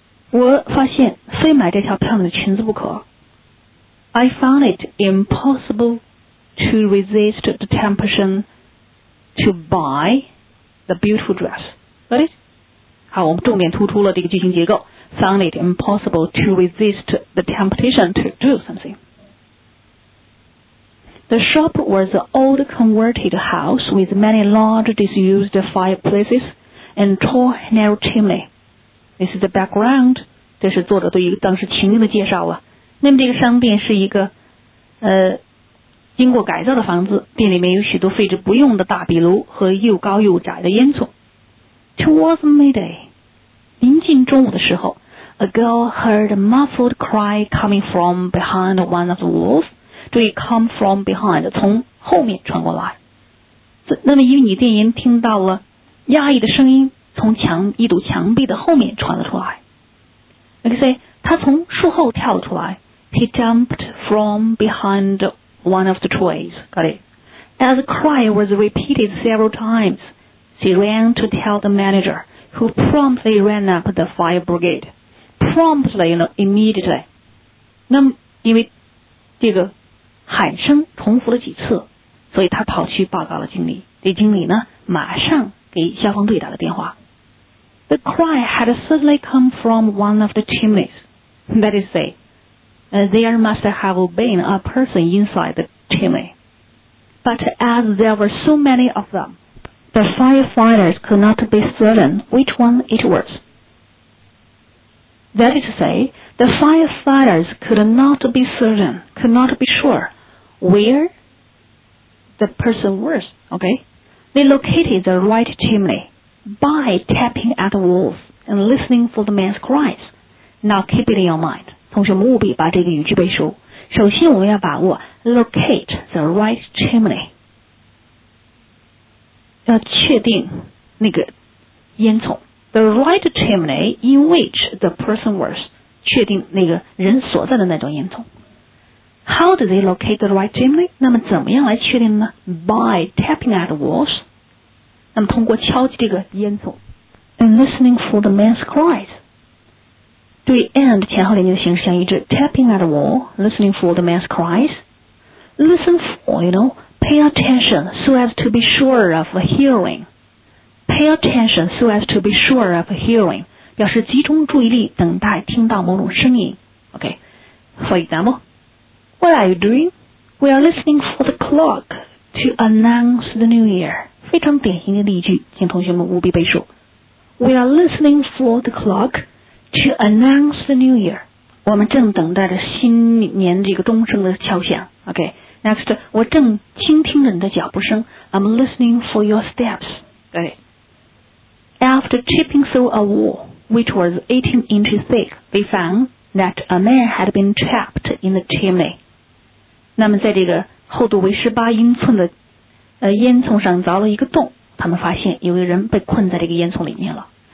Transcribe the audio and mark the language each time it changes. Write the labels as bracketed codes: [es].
[zh] 我发现非买这条漂亮的裙子不可。 [en] I found it impossible to resist the temptation to buy the beautiful dress. Got it? [zh] 好，我们重点突出了这个句型结构。 [en] Found it impossible to resist the temptation to do something. The shop was an old converted house with many large disused fireplaces and tall narrow chimney. This is the background. [zh] 这是作者对于当时情境的介绍啊。那么这个商店是一个经过改造的房子，店里面有许多废置不用的大壁炉和又高又窄的烟囱。 [en] Towards midday, [zh] 临近中午的时候， [en] a girl heard a muffled cry coming from behind one of the walls. [zh] 注意 [en] come from behind [zh] 从后面传过来，那么因为你电影听到了压抑的声音从墙一堵墙壁的后面传了出来。 OK， 所以他从树后跳了出来。 [en] He jumped from behind one of the trees. Got it. As the cry was repeated several times, she ran to tell the manager, who promptly ran up the fire brigade. Promptly, immediately. [zh] 那么因为这个喊声重复了几次，所以他跑去报告了经理。这经理呢，马上给消防队打了电话。 [en] The cry had suddenly come from one of the chimneys. That is to say, there must have been a person inside the chimney. But as there were so many of them, the firefighters could not be certain which one it was. That is to say, the firefighters could not be certain, could not be sure. Where the person was, okay? They located the right chimney by tapping at the walls and listening for the man's cries. Now keep it in your mind. [zh] 同学们务必把这个语句背熟。首先我们要把握 [en] locate the right chimney. [zh] 要确定那个烟囱。 [en] The right chimney in which the person was. [zh] 确定那个人所在的那种烟囱。 [en] How do they locate the right chimney? [zh] 那么怎么样来确定呢？ [en] By tapping at the walls. [zh] 那么通过敲击这个烟囱。 [en] And listening for the man's cries. 对 and [zh] 前后连接的形式相一致。 [en] Tapping at the wall, listening for the man's cries. Listen for, you know, pay attention so as to be sure of hearing. Pay attention so as to be sure of hearing. [zh] 表示集中注意力等待听到某种声音。 [en] Okay. For example,What are you doing? We are listening for the clock to announce the new year. [zh] 非常典型的例句，请同学们务必背熟。 [en] We are listening for the clock to announce the new year. [zh] 我们正等待着新年这个钟声的敲响。 [en] Okay, next, [zh] 我正倾听着你的脚步声。 [en] I'm listening for your steps. Got it. After chipping through a wall, which was 18 inches thick, they found... that a man had been trapped in the chimney. [zh] 那么在这个厚度为18英寸的烟囱上凿了一个洞，他们发现有一个人被困在这个烟囱里面了。